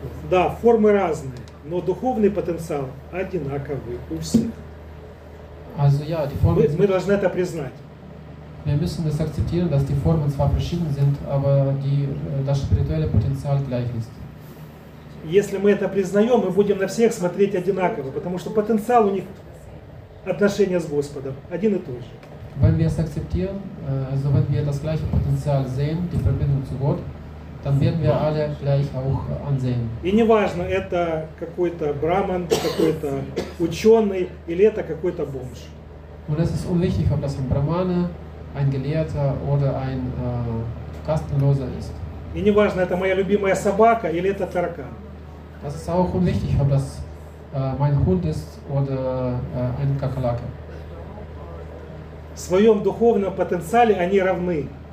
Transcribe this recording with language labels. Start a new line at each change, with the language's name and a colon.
Russian: Да, формы разные, но духовный потенциал одинаковый у всех.
German: Also, ja, die Formen sind...
Russian: Мы должны это признать.
German: Wir müssen das akzeptieren, dass die Formen zwar verschieden sind, aber das spirituelle Potenzial gleich ist.
Russian: Если мы это признаем, мы будем на всех смотреть одинаково, потому что потенциал у них отношения с Господом один и тот же.
German: Wenn wir es akzeptieren, also wenn wir das gleiche Potenzial sehen, die Verbindung zu Gott, dann werden wir alle gleich auch ansehen.
Russian: И неважно, это какой-то Браман, какой-то ученый или это какой-то бомж.
German: Und es ist unwichtig, ob das ein Brahmane, ein Gelehrter oder ein Kastenloser ist.
Russian: И неважно, это моя любимая собака или это таракан.
German: Das ist auch unwichtig, ob das mein Hund ist oder ein Kakerlake.
Russian: В своем духовном потенциале они равны.